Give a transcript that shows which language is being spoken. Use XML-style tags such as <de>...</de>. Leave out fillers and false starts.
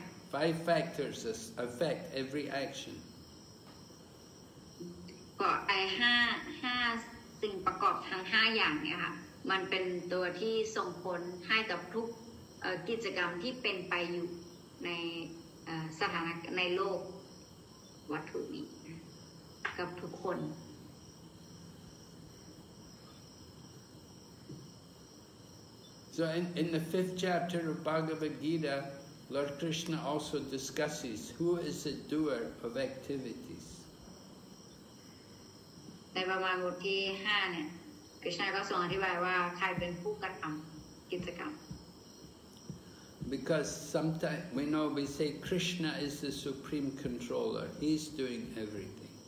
<en>Five factors affect every action.</en> <th>ก็ไอ้ห้าสิ่งประกอบทั้งห้าอย่างเนี่ยค่ะมันเป็นตัวที่ส่งผลให้กับทุก กิจกรรมที่เป็นไปอยู่ในสถานะในโลกวัตถุนี้กับทุกคน</th> <en>So in the fifth chapter of Bhagavad Gita, Lord Krishna also discusses who is the doer of activities.</en> <th>ในประมาณบทที่ 5 เนี่ย Krishna ก็ทรงอธิบายว่าใครเป็นผู้กระทำกิจกรรม</th> <en>Because sometimes we know we say Krishna is the supreme controller. He's doing everything.</en>